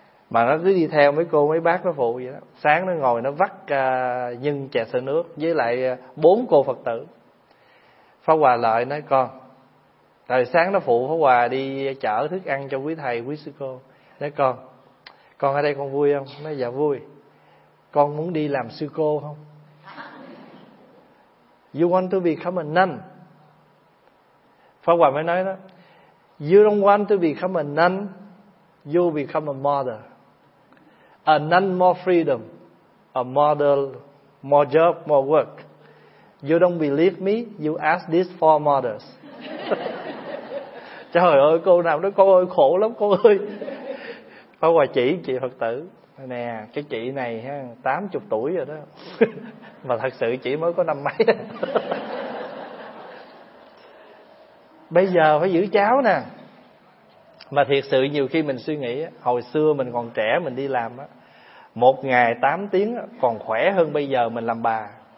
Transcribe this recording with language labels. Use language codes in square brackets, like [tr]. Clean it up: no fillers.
[vi] Mà nó cứ đi theo mấy cô mấy bác nó phụ vậy đó. Sáng nó ngồi nó vắt nhân chè sữa nước với lại 4 cô Phật tử. Pháp Hòa lại nói, con rồi sáng nó phụ Pháp Hòa đi chở thức ăn cho quý thầy quý sư cô. Nói, con ở đây con vui không? Nói, dạ vui. Con muốn đi làm sư cô không? [en] You want to become a nun? [vi] Pháp Hòa mới nói đó, [en] you don't want to become a nun, you become a mother. A nun more freedom, a mother more job, more work. You don't believe me, you ask these 4 mothers. [vi] Trời ơi, cô nào nói, cô ơi khổ lắm cô ơi. Pháp Hòa chỉ chị Phật tử, nè cái chị này 80 tuổi rồi đó. Mà thật sự chị mới có năm mấy. Bây giờ phải giữ cháu nè. Mà thiệt sự nhiều khi mình suy nghĩ, hồi xưa mình còn trẻ mình đi làm, một ngày 8 tiếng còn khỏe hơn bây giờ mình làm bà.